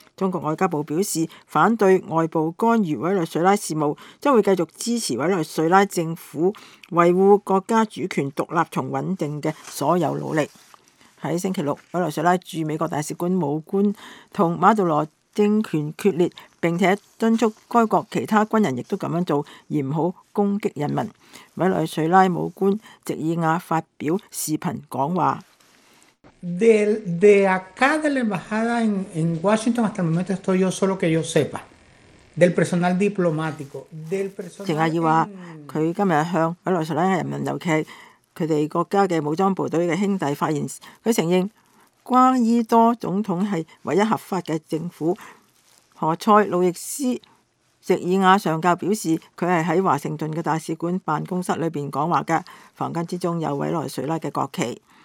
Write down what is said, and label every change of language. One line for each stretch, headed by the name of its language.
Chinese: 中国外交部表示反对外部干预委内瑞拉事务，将会继续支持委内瑞拉政府维护国家主权独立和稳定的所有努力。在星期六，委内瑞拉驻美国大使馆武官和马杜罗政权决裂，并且敦促该国其他军人亦都这样做，而不要攻击人民。委内瑞拉武官席尔亚发表视频讲话。
Spanish: De acá de la embajada en Washington hasta el momento estoy yo solo que yo sepa del personal diplomático del personal.
Chinese: 席尔亚话，佢今日向委内瑞拉人民，尤其他们国家的武装部队的兄弟发言，他承认瓜伊多总统是唯一合法的政府。何塞·路易斯·席尔亚上校表示，他是在华盛顿的大使馆办公室里面讲话的，房间之中有委内瑞拉的国旗。